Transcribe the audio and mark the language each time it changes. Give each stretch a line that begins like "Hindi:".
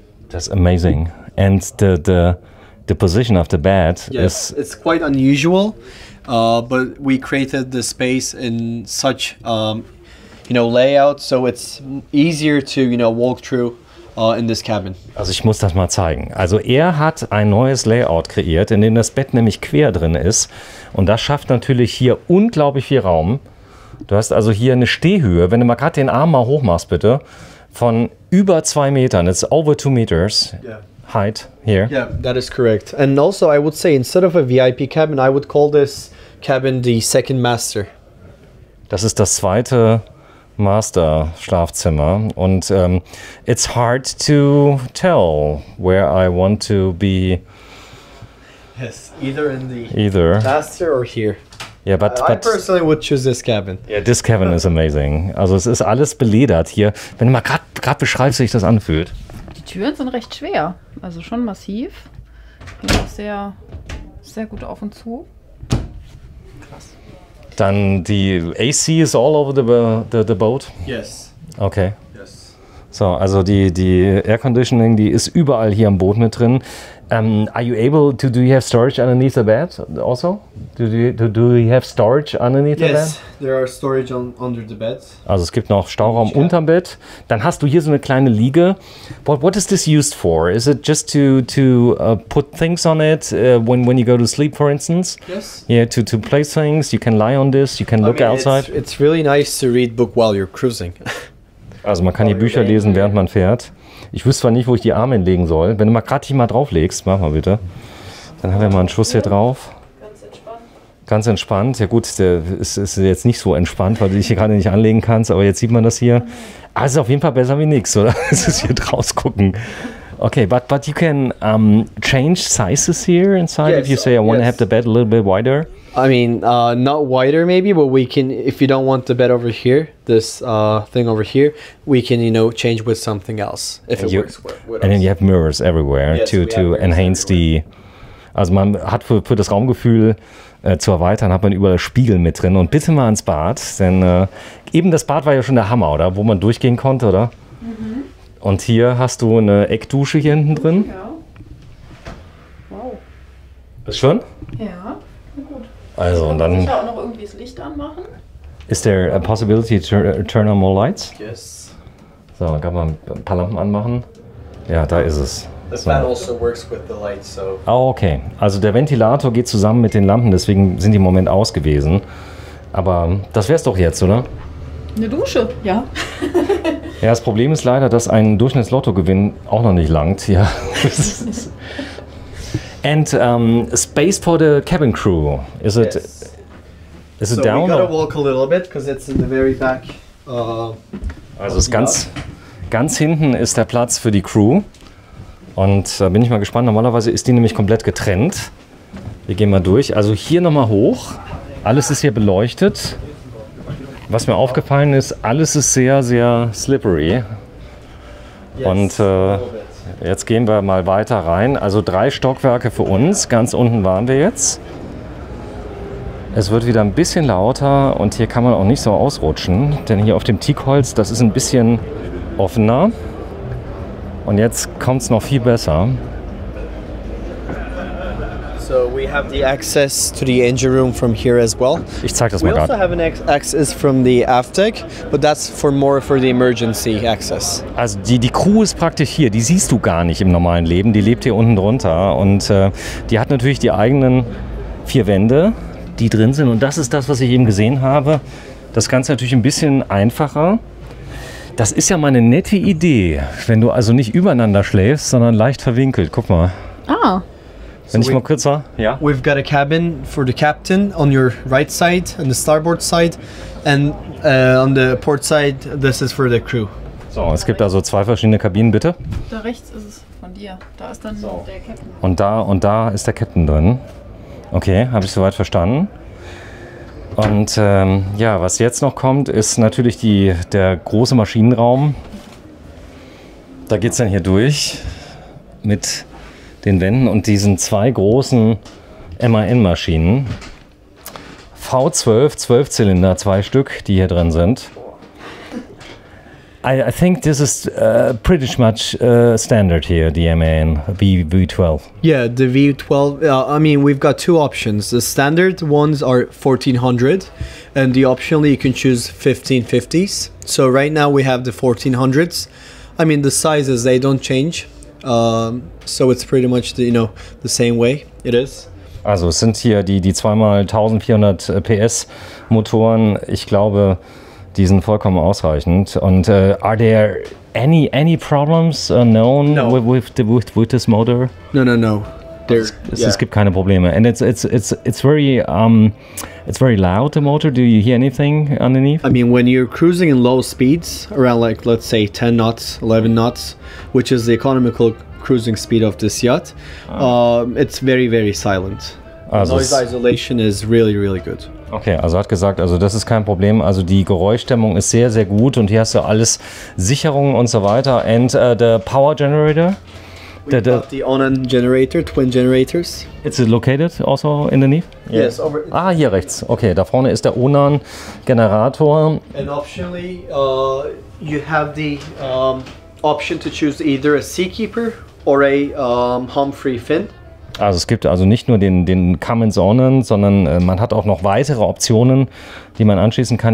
English: That's amazing. And the position of the bed, yes, is... it's quite unusual, but we created the space in such... you know, layout, so it's easier to, you know, walk through in this cabin.
German: Also ich muss das mal zeigen. Also er hat ein neues Layout kreiert, in dem das Bett nämlich quer drin ist. Und das schafft natürlich hier unglaublich viel Raum. Du hast also hier eine Stehhöhe, wenn du mal gerade den Arm mal hoch machst, bitte, von über 2 Metern.
English: It's over 2 meters. Yeah. Height here. Yeah, that is correct. And also I would say, instead of a VIP cabin, I would call this cabin the second master.
German: Das ist das zweite... Master Schlafzimmer und
English: it's hard to tell where I want to be. Yes, either master or here. Yeah, but I personally would choose this cabin. Yeah, this cabin is amazing.
German: Also es ist alles beledert hier. Wenn du mal gerade beschreibst, wie sich das anfühlt. Die Türen sind recht schwer, also schon massiv. Geht auch sehr, sehr gut auf und zu. Krass. Dann die AC ist
English: all over the boat? Yes. Okay. Yes.
German: So, also die Air Conditioning, die ist überall hier am Boot mit drin.
English: Are you able to, do you have storage underneath the bed also? Do you have storage underneath, yes, the bed? Yes, there are storage under the bed.
German: Also es gibt noch Stauraum, yeah, unterm Bett. Dann hast du hier so eine kleine Liege.
English: What is this used for? Is it just to put things on it when you go to sleep, for instance? Yes. Yeah, to place things. You can lie on this, you can look outside. It's really nice to read book while you're cruising.
German: Also man kann hier Bücher lesen, während man fährt. Ich wüsste zwar nicht, wo ich die Arme hinlegen soll. Wenn du mal gerade dich mal drauflegst, mach mal bitte. Dann haben wir mal einen Schuss hier drauf. Ganz entspannt. Ganz entspannt. Ja gut, es ist jetzt nicht so entspannt, weil du dich hier gerade nicht anlegen kannst. Aber jetzt sieht man das hier. Ah, es ist auf jeden Fall besser wie nichts, oder? Es ist hier draus gucken.
English: Okay, but you can change sizes here inside, yes, if you say I want to, yes, have the bed a little bit wider. I mean, not wider maybe, but we can, if you don't want the bed over here, this thing over here, we can, you know, change with something else if and it works with and then you have mirrors everywhere, yes, to enhance everywhere.
German: Also man hat für das Raumgefühl zu erweitern, hat man überall Spiegel mit drin. Und bitte mal ins Bad, denn eben das Bad war ja schon der Hammer, oder? Wo man durchgehen konnte, oder? Mhm. Und hier hast du eine Eckdusche hier hinten drin. Ja. Wow. Ist schön? Ja, gut. Also, und dann... Kann man sicher auch noch irgendwie das Licht anmachen?
English: Is there a possibility to turn on more lights? Yes.
German: So, dann kann man ein paar Lampen anmachen. Ja, da ist es.
English: The fan also works with the lights, so... Oh, okay.
German: Also der Ventilator geht zusammen mit den Lampen, deswegen sind die im Moment aus gewesen. Aber das wär's doch jetzt, oder? Eine Dusche, ja. Ja, das Problem ist leider, dass ein Durchschnittslottogewinn auch noch nicht langt. Ja.
English: And space for the cabin crew. Is it, yes, is it so down? So we gotta walk a little bit, because it's in the very back.
German: Also es ganz hinten ist der Platz für die Crew. Und da bin ich mal gespannt. Normalerweise ist die nämlich komplett getrennt. Wir gehen mal durch. Also hier nochmal hoch. Alles ist hier beleuchtet. Was mir aufgefallen ist, alles ist sehr, sehr slippery.
English: Yes,
German: und jetzt gehen wir mal weiter rein. Also 3 Stockwerke für uns. Ganz unten waren wir jetzt. Es wird wieder ein bisschen lauter und hier kann man auch nicht so ausrutschen. Denn hier auf dem Teakholz, das ist ein bisschen offener. Und jetzt kommt es noch viel besser.
English: So we have the access to the engine room from here as well.
German: Ich zeig das
English: we
German: mal also grad.
English: Have an access from the aft deck, but that's for more for the emergency access.
German: Also die Crew ist praktisch hier, die siehst du gar nicht im normalen Leben, die lebt hier unten drunter und die hat natürlich die eigenen 4 Wände, die drin sind und das ist das, was ich eben gesehen habe. Das Ganze natürlich ein bisschen einfacher. Das ist ja mal eine nette Idee, wenn du also nicht übereinander schläfst, sondern leicht verwinkelt. Guck mal. Ah. Wenn ich mal kurz war. Ja.
English: We've got a cabin for the captain on your right side, on the starboard side. And on the port side, this is for the crew.
German: So, es gibt also zwei verschiedene Kabinen, bitte. Da rechts ist es von dir. Da ist dann so. Der Captain. Und da ist der Captain drin. Okay, habe ich soweit verstanden. Und ja, was jetzt noch kommt, ist natürlich der große Maschinenraum. Da geht es dann hier durch mit den Wänden und diesen zwei großen MAN-Maschinen. V12, 12 Zylinder, zwei Stück, die hier drin sind.
English: I think this is pretty much standard here, the MAN V12. Yeah, the V12, I mean, we've got two options. The standard ones are 1400, and the optionally you can choose 1550s. So right now we have the 1400s. I mean, the sizes, they don't change. So it's pretty much the same way it is.
German: Also es sind hier die zweimal 1400 PS Motoren. Ich glaube, die sind vollkommen ausreichend.
English: Und are there any problems known with this motor? No.
German: Es gibt keine Probleme.
English: And it's very loud, the motor. Do you hear anything underneath? I mean, when you're cruising in low speeds, around like, let's say 10 knots, 11 knots, which is the economical cruising speed of this yacht, it's very, very silent. Also noise isolation is really, really good.
German: Okay, also hat gesagt, also das ist kein Problem. Also die Geräuschdämmung ist sehr, sehr gut. Und hier hast du alles, Sicherungen und so weiter.
English: And the power generator? We've got the on-end generator, twin generators. Is it located also in the knee? Yeah. Yes, over...
German: Ah, hier rechts. Okay, da vorne ist der Onan-Generator.
English: And optionally, you have the option to choose either a Seakeeper or a Humphrey Finn.
German: Also es gibt also nicht nur den Cummins Onan, sondern man hat auch noch weitere Optionen, die man anschließen kann.